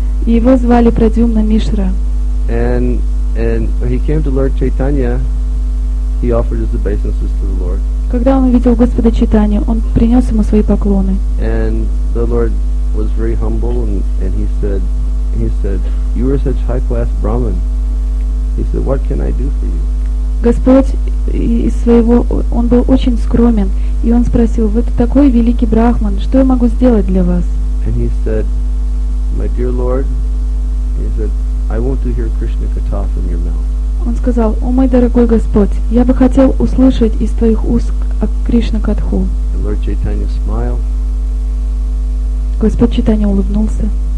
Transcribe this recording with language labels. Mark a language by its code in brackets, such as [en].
[ru] И его звали Прадюмна Мишра. [en] And when he came to Lord Chaitanya, he offered his obeisances to the Lord. [ru] Когда он увидел Господа Чайтанью, он принес ему свои поклоны. [en] And the Lord was very humble and he said, you are such high class Brahmin. He said, what can I do for you? [ru] Господь из своего, он был очень скромен, и он спросил, вы такой великий Брахман, что я могу сделать для вас? [en] And he said, my dear Lord, he said, I want to hear Krishna Katha from your mouth. [ru] Он сказал, о мой дорогой Господь, я бы хотел услышать из твоих уст о Кришна Катху. [en] And Lord Chaitanya smiled. [ru] Господь Чайтанья улыбнулся.